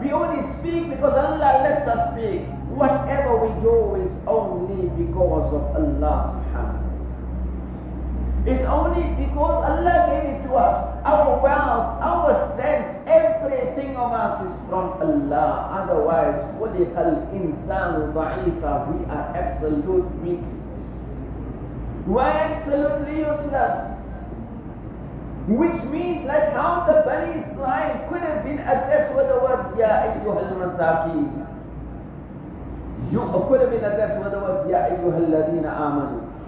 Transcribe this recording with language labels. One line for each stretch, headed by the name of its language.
English: We only speak because Allah lets us speak. Whatever we do is only because of Allah subhanahu. It's only because Allah gave it to us. Our wealth, our strength, everything of us is from Allah. Otherwise,
Arabic: خُلِقَ الْإِنسَانُ ضَعِيفًا.
English: We are absolute weakness. We are absolutely useless. Which means like how the Bani Israel could have been addressed with the words, Ya Ayyuhal Masakin. You could have been addressed with the words, Ya Ayyuhal Ladina Amanu.